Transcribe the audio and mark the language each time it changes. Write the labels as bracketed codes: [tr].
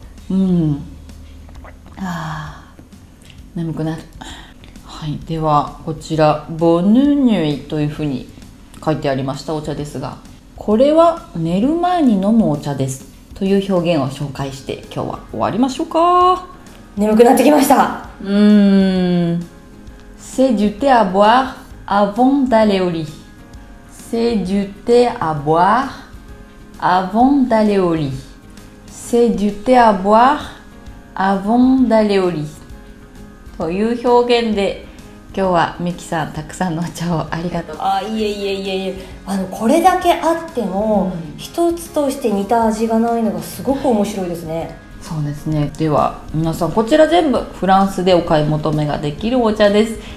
[ja] うん、あ、眠くなる。はい、ではこちらボヌニュイというふうに書いてありましたお茶ですが、これは寝る前に飲むお茶ですという表現を紹介して今日は終わりましょうか。眠くなってきました。 [fr] C'est du thé à boire avant d'aller au lit. C'est du thé à boire avant d'aller au lit. C'est du thé à boire avant d'aller au lit. [ja] という表現で、今日はミキさんたくさんのお茶をありがとう。あ、いえいえいえいえ、あのこれだけあっても、うん、一つとして似た味がないのがすごく面白いですね。そうですね。では皆さん、こちら全部フランスでお買い求めができるお茶です。